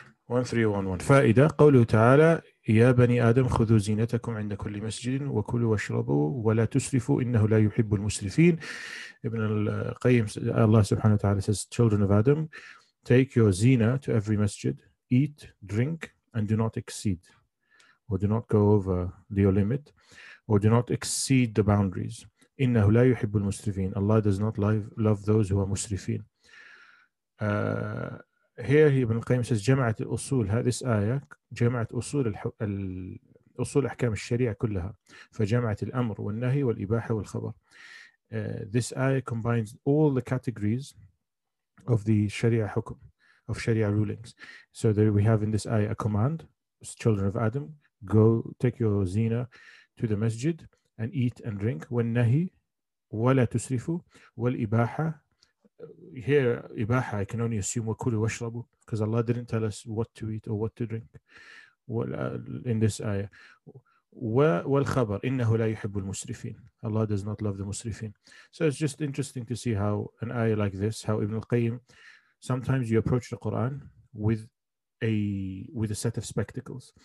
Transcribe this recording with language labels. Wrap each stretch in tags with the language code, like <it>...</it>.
<ar>1311 فائدة قوله تعالى يا بني آدم خذوا زينتكم عند كل مسجد وكلوا واشربوا ولا تسرفوا إنه لا يحب المسرفين. ابن القيم الله سبحانه وتعالى</ar> <en>says children of Adam take your zina to every masjid, eat, drink and do not exceed or do not go over the limit or do not exceed the boundaries.</en> <ar>إنه لا يحب المسرفين.</ar> <en>Allah does not love those who are مسرفين. Here he, Ibn al-Qayyim says</en> <ar>جمعت الأصول,</ar> <en>this ayah</en> <ar>جمعت أصول أصول أحكام الشريعة كلها, فجمعت الأمر والنهي والإباحة والخبر.</ar> <en>This ayah combines all the categories of the Sharia hukum, of Sharia rulings. So there we have in this ayah a command, children of Adam, go take your zina to the masjid and eat and drink.</en> <ar>والنهي ولا تسرفوا والإباحة.</ar> <en>Here, إباحة, I can only assume</en> <ar>وَكُلُوا وَاشْرَبُوا,</ar> <en>because Allah didn't tell us what to eat or what to drink in this ayah.</en> <ar>وَالْخَبَرِ إِنَّهُ لَا يُحِبُّ الْمُسْرِفِينَ.</ar> <en>Allah does not love the مُسْرِفِينَ. So it's just interesting to see how an ayah like this, how Ibn al-Qayyim, sometimes you approach the Quran with a set of spectacles.</en>